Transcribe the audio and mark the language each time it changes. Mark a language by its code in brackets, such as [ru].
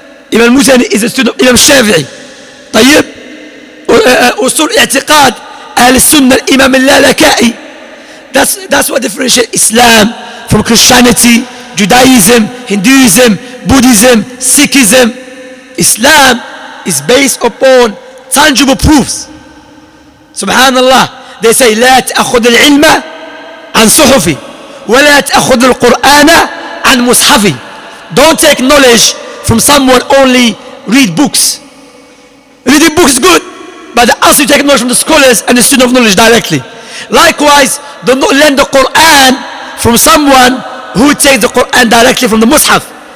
[en] Imam Al-Muzani is a student of Imam Shafi'i. Tayyib, Usul I'tiqad, Al-Sunnah, Imam Al-Lalaka'i. That's what differentiates Islam from Christianity, Judaism, Hinduism, Buddhism, Sikhism. Islam is based upon tangible proofs. [ar] Subhanallah, [en] they say, [ar] لا تأخذ العلم عن صحفي ولا تأخذ القرآن عن مصحفي. [en] Don't take knowledge from someone, only read books. Reading books is good, but ask you to take knowledge from the scholars and the student of knowledge directly. Likewise, do not learn the Quran from someone who takes the Quran directly from the Mus'haf.